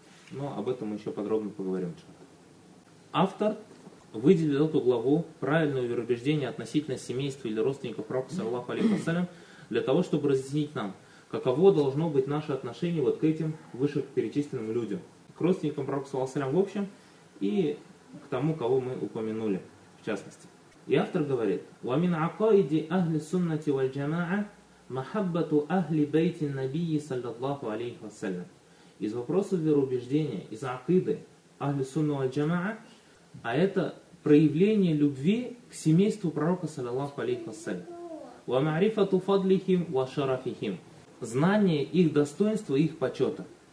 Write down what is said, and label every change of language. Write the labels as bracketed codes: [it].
[ru] Но об этом мы еще подробно поговорим. Автор выделил эту главу, правильное вероубеждение относительно семейства или родственников пророка, саллаллаху алейхи вассалям, для того, чтобы разъяснить нам, каково должно быть наше отношение вот к этим вышеперечисленным людям, к родственникам пророка, саллаллаху алейхи вассалям, в общем, и к тому, кого мы упомянули, в частности. И автор говорит, [ar] وَمِنْ عَقَائِدِ أَهْلِ سُنَّةِ وَالْجَمَاعَ مَحَبَّةُ أَهْلِ بَيْتِ النَّبِيِّ саллаллаху алейхи вассалям. [ru] Из вопросов вероубеждения, из акиды Ахли Сунна валь-Джамаа, а это проявление любви к семейству пророка, саллиллаху алейхи вассалям. [ar] «Ва ма'рифату фадлихим ва шарафихим». [ru] Знание их достоинства, их почета.